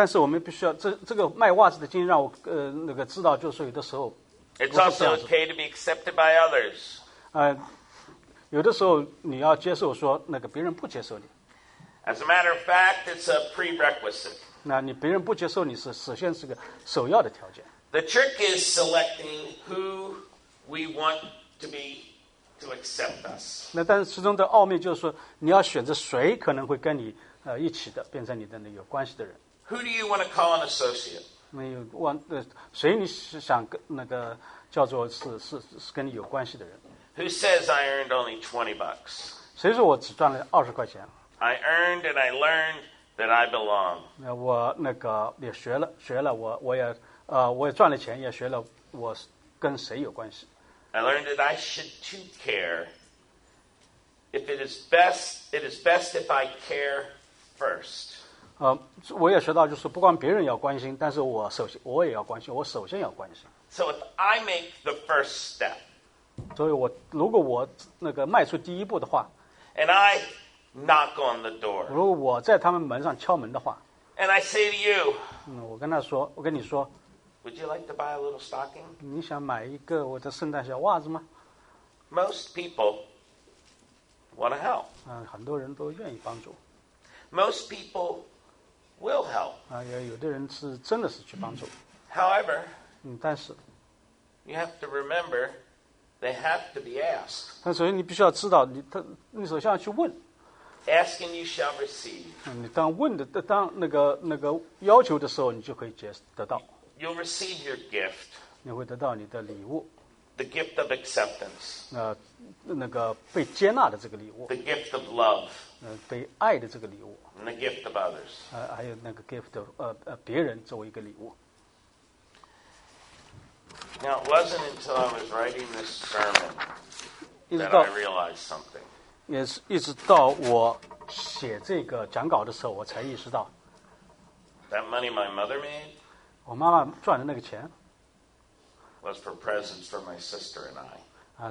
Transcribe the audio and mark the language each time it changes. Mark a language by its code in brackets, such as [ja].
[zh] 但是我们必须要这个卖袜子的经验让我知道，就是说有的时候 [en] ，It's also okay to be accepted by others。 [zh] 有的时候你要接受说那个别人不接受你。 [en] As a matter of fact, it's a prerequisite。 [zh] 那你别人不接受你是首先是个首要的条件。 [en] The trick is selecting who we want to be。 To accept us. [zh] 那但是其中的奥秘就是说，你要选择谁可能会跟你一起的，变成你的那个关系的人。 [en] Who do you want to call an associate? [zh] 没有want谁你想跟那个叫做是跟你有关系的人。 [en] Who says I earned only $20? [zh] 谁说我只赚了20块钱 [en] ？I earned and I learned that I belong. [zh] 那我那个也学了我也赚了钱，也学了我跟谁有关系。 [en] I learned that I should too care. If it is best if I care first. [zh] 我也学到就是不光别人要关心，但是我也要关心，我首先要关心。 [en] So if I make the first step. [zh] 所以如果我那个迈出第一步的话。 [en] And I knock on the door. [zh] 如果我在他们门上敲门的话。 [en] And I say to you. [zh] 我跟你说。 [en] Would you like to buy a little stocking? [zh] 你想买一个我的圣诞小袜子吗？ [en] Most people want to help. [zh] 很多人都愿意帮助。 [en] Most people will help. [zh] 有的人是真的是去帮助。 [en] However, [zh] 但是 [en] you have to remember they have to be asked. [zh] 但首先你必须要知道你首先要去问。 [en] Asking you shall receive. [zh] 当问的当那个要求的时候你就可以得到。 [en] You'll receive your gift. [zh] 你会得到你的礼物。 [en] The gift of acceptance. [zh] 那个被接纳的这个礼物。 [en] The gift of love. [zh] 被爱的这个礼物。 [en] And the gift of others. [zh] 还有那个 [en] gift of [zh] 别人作为一个礼物。 [en] Now it wasn't until I was writing this sermon that I realized something. [zh] 也是一直到我写这个讲稿的时候，我才意识到。 [en] That money my mother made. [zh] 我妈妈赚的那个钱 [en] was for presents for my sister and I.